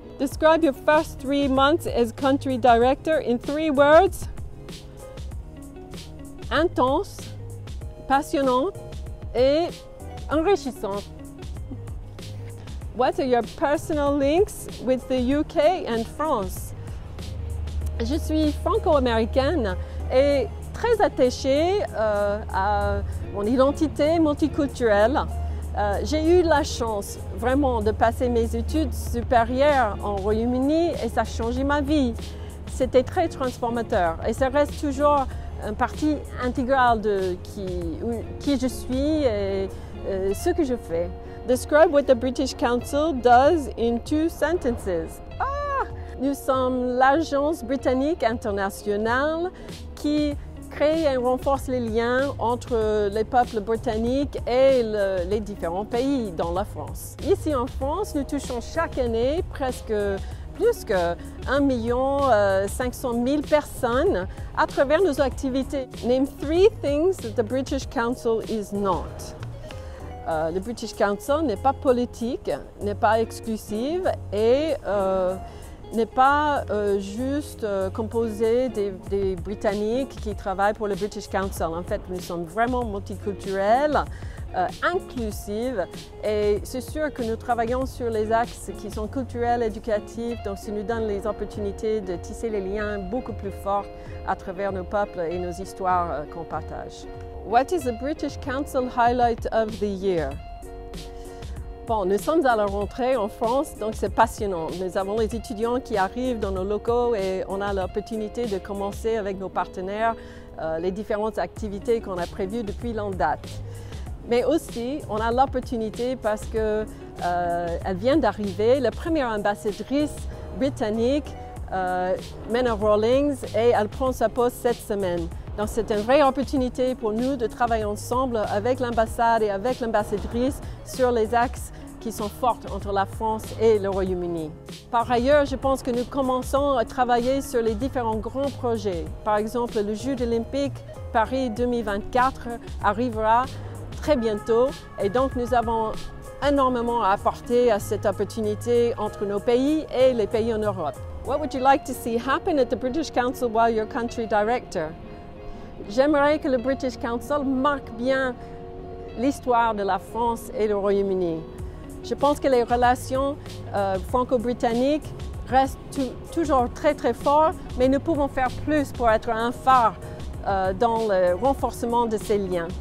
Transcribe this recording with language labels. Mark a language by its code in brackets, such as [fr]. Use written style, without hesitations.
[en] Describe your first 3 months as country director in three words. [fr] Intense, passionnant et enrichissant. [en] What are your personal links with the UK and France? [fr] Je suis franco-américaine et très attachée à mon identité multiculturelle. J'ai eu la chance vraiment de passer mes études supérieures en Royaume-Uni et ça a changé ma vie. C'était très transformateur et ça reste toujours une partie intégrale de qui je suis et ce que je fais. [en] Describe what the British Council does in 2 sentences. [fr] Nous sommes l'agence britannique internationale qui crée et renforce les liens entre les peuples britanniques et les différents pays dans la France. Ici en France, nous touchons chaque année presque plus que 1 500 000 personnes à travers nos activités. [en] Name 3 things that the British Council is not. [fr] Le British Council n'est pas politique, n'est pas exclusive et n'est pas juste composé des Britanniques qui travaillent pour le British Council. En fait, nous sommes vraiment multiculturels, inclusifs, et c'est sûr que nous travaillons sur les axes qui sont culturels, éducatifs, donc ça nous donne les opportunités de tisser les liens beaucoup plus forts à travers nos peuples et nos histoires qu'on partage. [en] What is the British Council highlight of the year? [fr] Bon, nous sommes à la rentrée en France, donc c'est passionnant. Nous avons les étudiants qui arrivent dans nos locaux et on a l'opportunité de commencer avec nos partenaires les différentes activités qu'on a prévues depuis longue date. Mais aussi, on a l'opportunité parce qu'elle vient d'arriver, la première ambassadrice britannique, Mena Rawlings, et elle prend sa poste cette semaine. Donc c'est une vraie opportunité pour nous de travailler ensemble avec l'ambassade et avec l'ambassadrice sur les axes qui sont forts entre la France et le Royaume-Uni. Par ailleurs, je pense que nous commençons à travailler sur les différents grands projets. Par exemple, le Jeux olympiques Paris 2024 arrivera très bientôt et donc nous avons énormément à apporter à cette opportunité entre nos pays et les pays en Europe. [en] What would you like to see happen at the British Council while you're country director? [fr] J'aimerais que le British Council marque bien l'histoire de la France et le Royaume-Uni. Je pense que les relations franco-britanniques restent toujours très très fortes, mais nous pouvons faire plus pour être un phare dans le renforcement de ces liens.